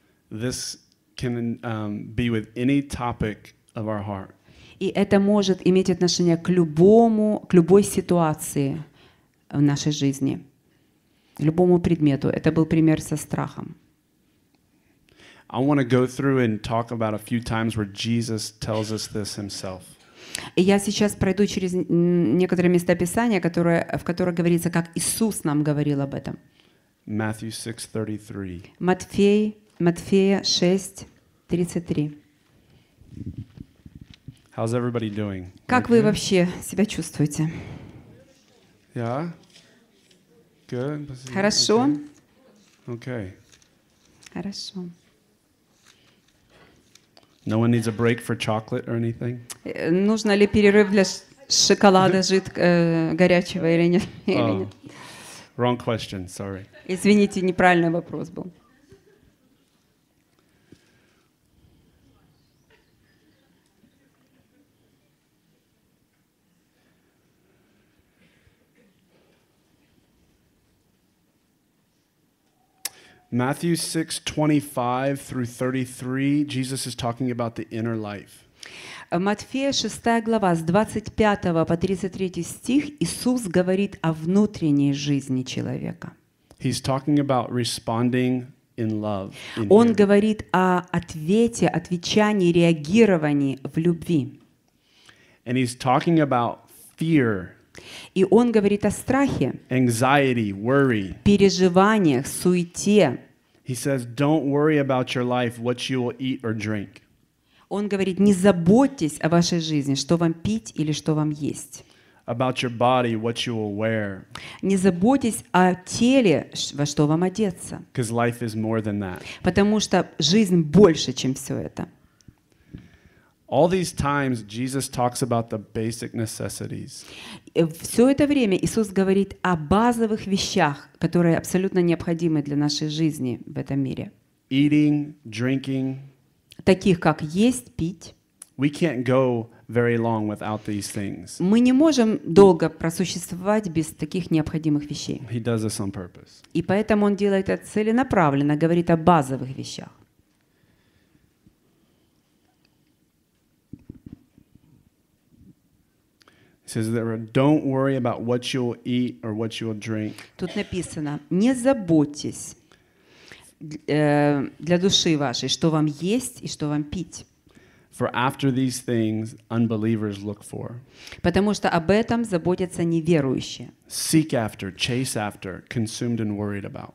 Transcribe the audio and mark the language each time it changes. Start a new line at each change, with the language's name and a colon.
English: This can be with any topic of our heart.
Russian: И это может иметь отношение к любому, к любой ситуации в нашей жизни, любому предмету. Это был пример со страхом.
English: I want to go through and talk about a few times where Jesus tells us this himself.
Russian: Я сейчас пройду через некоторые места Писания, в которых говорится, как Иисус нам говорил об этом.
English: Matthew 6:33.
Russian: Матфея 6:33.
English: How's everybody doing?
Russian: Как вы вообще себя чувствуете?
English: Yeah. Good.
Russian: Хорошо.
English: Okay.
Russian: Хорошо.
English: No one needs a break for chocolate or anything.
Russian: Нужно ли перерыв для шоколада горячего или нет?
English: Wrong question, sorry.
Russian: Извините, неправильный вопрос был.
English: Matthew 6:25 through 33, Jesus is talking about the inner life.
Russian: Матфея 6 глава с 25 по 33 стих Иисус говорит о внутренней жизни человека.
English: He's talking about responding in love.
Russian: Он говорит о ответе, отвечании, реагировании в любви.
English: And he's talking about fear.
Russian: И он говорит о страхе,
English: anxiety, worry.
Russian: Переживаниях, суете.
English: He says, "Don't worry about your life, what you will eat or drink."
Russian: Он говорит: не заботьтесь о вашей жизни, что вам пить или что вам есть.
English: About your body, what you will wear.
Russian: Не заботьтесь о теле, во что вам одеться.
English: Because life is more than that.
Russian: Потому что жизнь больше, чем все это.
English: All these times Jesus talks about the basic necessities.
Russian: Все это время Иисус говорит о базовых вещах, которые абсолютно необходимы для нашей жизни в этом мире.
English: Eating, drinking.
Russian: Таких как есть, пить.
English: We can't go very long without these things.
Russian: Мы не можем долго просуществовать без таких необходимых вещей.
English: He does this on purpose.
Russian: И поэтому он делает это целенаправленно, говорит о базовых вещах.
English: Says there, don't worry about what you'll eat or what you'll drink.
Russian: Тут написано: не заботьтесь для души вашей, что вам есть и что вам пить.
English: For after these things, unbelievers look for.
Russian: Потому что об этом заботятся неверующие.
English: Seek after, chase after, consumed and worried about.